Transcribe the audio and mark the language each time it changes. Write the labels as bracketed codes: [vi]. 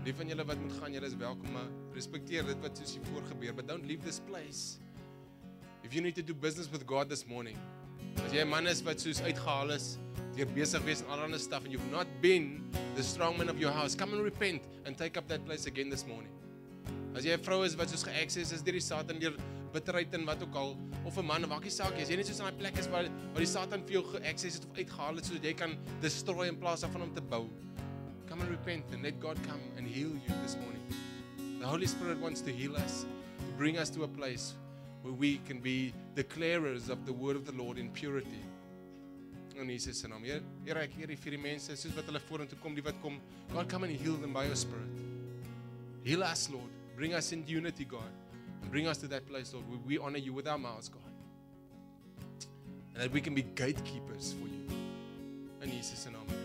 [af] Lief van julle wat moet gaan, julle is welkom, maar respekteer dit wat soos hiervoor gebeur, but don't leave this place. [en] If you need to do business with God this morning, as jy 'n man is wat soos uitgehaal is, deur besig wees in allerlei stuff, and you've not been the strong man of your house, come and repent and take up that place again this morning. [af] As jy 'n vrou is wat soos geaccess is deur die Satan, deur bitterheid en wat ook al, of 'n man, maak nie saak, as jy net soos in daai plek is waar die Satan vir jou geaccess het of uitgehaal het sodat jy kan destroy in plaas van om te bou. [en] Come and repent and let God come and heal you this morning. The Holy Spirit wants to heal us, to bring us to a place where we can be declarers of the word of the Lord in purity. [af] In Jesus se naam. Here, ek hier vir die mense, soos wat hulle vorentoe kom, die wat kom. [en] God, come and heal them by your spirit. Heal us, Lord. Bring us into unity, God. And bring us to that place, Lord, where we honor you with our mouths, God. And that we can be gatekeepers for you. In Jesus' name.